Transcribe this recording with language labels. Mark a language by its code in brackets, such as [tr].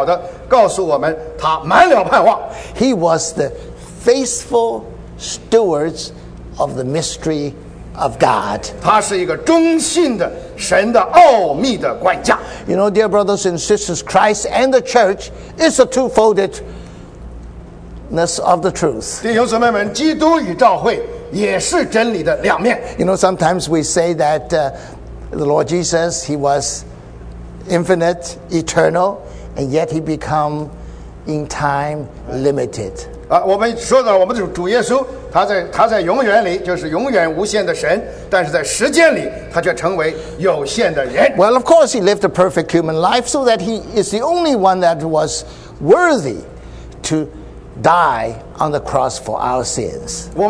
[zh] 弟兄姊妹们,从两句简单的经节,保罗这样清楚,明了地告诉我们,他满了盼望。 [en] He was the faithful stewards of the mystery of God. [zh] 他是一个忠信的 神的奥秘的管家。 [en] You know, dear brothers and sisters, Christ and the church is a twofoldedness of the truth. [zh] 弟兄姊妹们, 基督与教会 也是真理的两面。 [en] You know, sometimes we say that the Lord Jesus, he was infinite, eternal, and yet he become in time limited. [zh] 我们说的我们的主耶稣 他在永远里就是永远无限的神,但是在时间里,他却成为有限的人。Well, [en] of course, he lived a perfect human life so that he is the only one that was worthy to die on the cross for our sins.